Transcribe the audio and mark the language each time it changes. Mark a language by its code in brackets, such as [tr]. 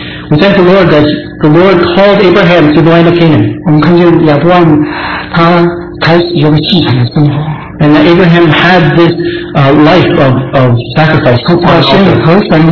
[en] We thank the Lord that the Lord called Abraham to the land of Canaan. [zh] 我们看见亚伯拉罕他开始有个祭坛的生活。 [en] And that Abraham had this life of sacrifice.